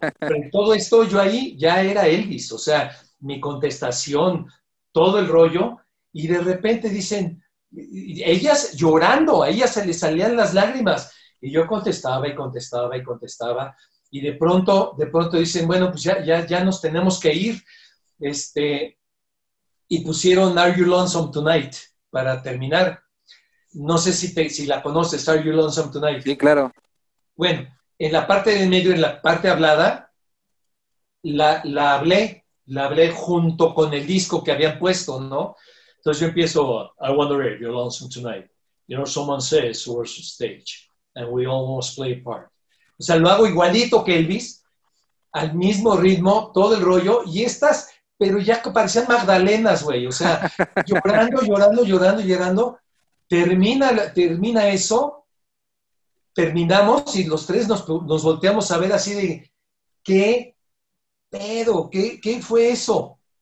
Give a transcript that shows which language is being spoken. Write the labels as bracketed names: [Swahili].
[Spanish] Pero todo esto yo ahí ya era Elvis, o sea, mi contestación, todo el rollo, y de repente dicen, ellas llorando, a ellas se les salían las lágrimas, y yo contestaba y contestaba y contestaba, y de pronto dicen, bueno, pues ya nos tenemos que ir, y pusieron Are You Lonesome Tonight para terminar. No sé si la conoces, Are You Lonesome Tonight. Sí, claro. Bueno, en la parte de en medio, en la parte hablada, la hablé junto con el disco que habían puesto, ¿no? Entonces yo empiezo, [English] I wonder if you're lonesome tonight. You know, someone says we're on stage and we almost play a part. [Spanish] O sea, lo hago igualito que Elvis, al mismo ritmo, todo el rollo, y estas, pero ya parecían magdalenas, güey. O sea, llorando. Termina eso, terminamos y los tres nos volteamos a ver así de, ¿qué pedo? ¿Qué fue eso?